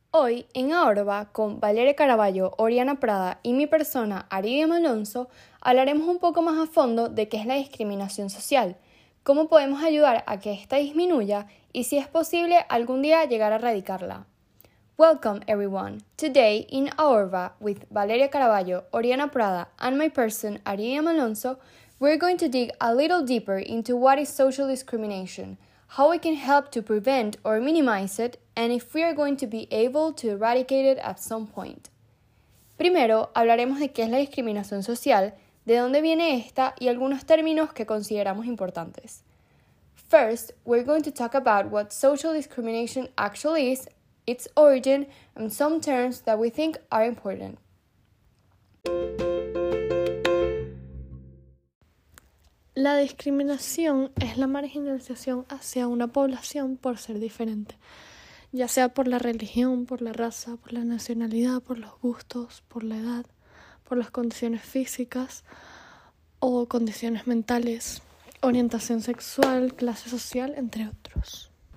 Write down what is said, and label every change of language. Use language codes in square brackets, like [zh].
[es] Hoy, en Ahorba, con Valeria Caraballo, Oriana Prada y mi persona, Haridiam Alonso, hablaremos un poco más a fondo de qué es la discriminación social, cómo podemos ayudar a que esta disminuya y si es posible algún día llegar a erradicarla. [en] Welcome, everyone. Today, in Ahorba, with Valeria Caraballo, Oriana Prada, and my person, Haridiam Alonso, we're going to dig a little deeper into what is social discrimination, how we can help to prevent or minimize it, and if we are going to be able to eradicate it at some point. [es] Primero, hablaremos de qué es la discriminación social, de dónde viene esta y algunos términos que consideramos importantes. [en] First, we're going to talk about what social discrimination actually is, its origin, and some terms that we think are important. [es] La discriminación es la marginalización hacia una población por ser diferente, ya sea por la religión, por la raza, por la nacionalidad, por los gustos, por la edad, por las condiciones físicas o condiciones mentales, orientación sexual, clase social, entre otros.